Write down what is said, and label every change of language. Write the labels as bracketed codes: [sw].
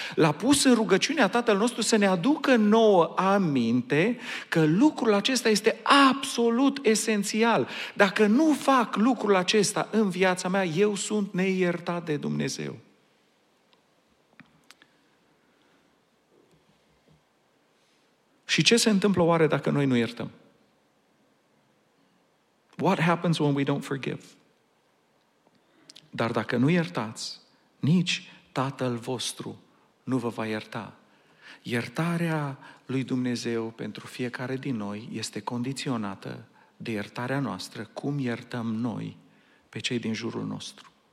[ro] L-a pus în rugăciunea Tatăl nostru să ne aducă nouă aminte că lucrul acesta este absolut esențial. Dacă nu fac lucrul acesta în viața mea, eu sunt neiertat de Dumnezeu. Și ce se întâmplă oare dacă noi nu iertăm? [en] What happens when we don't forgive? [ro] Dar dacă nu iertați, nici Tatăl vostru nu vă va ierta. Iertarea lui Dumnezeu pentru fiecare din noi este condiționată de iertarea noastră, cum iertăm noi pe cei din jurul nostru.